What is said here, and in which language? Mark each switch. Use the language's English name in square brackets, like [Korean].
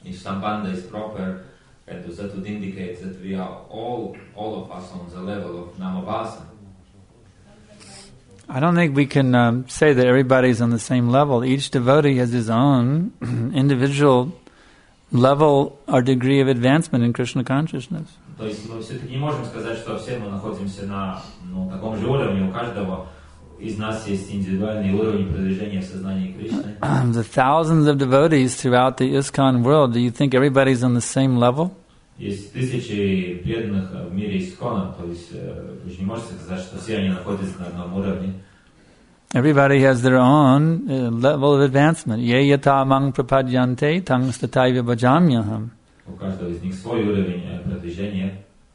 [English] If sambandha is proper, and that would indicate that we are all of us on the level of Namabhasa. I don't think we can say that everybody is on the same level. Each devotee has his own individual level or degree of advancement in Krishna consciousness. [Russian] То есть мы все-таки не можем сказать, что все мы находимся на таком же уровне. У каждого из нас есть индивидуальный уровень продвижения в сознании Кришны. [English] The thousands of devotees throughout the ISKCON world, do you think everybody's on the same level? [Russian] Есть тысячи преданных в мире ИСККОНа, то есть вы же не можете сказать, что все они находятся на одном уровне. [English] Everybody has their own level of advancement. [Sanskrit] Ye yata mang prapadyante tang stataiva bhajamyaham. [Russian] У каждого из них свой уровень продвижения.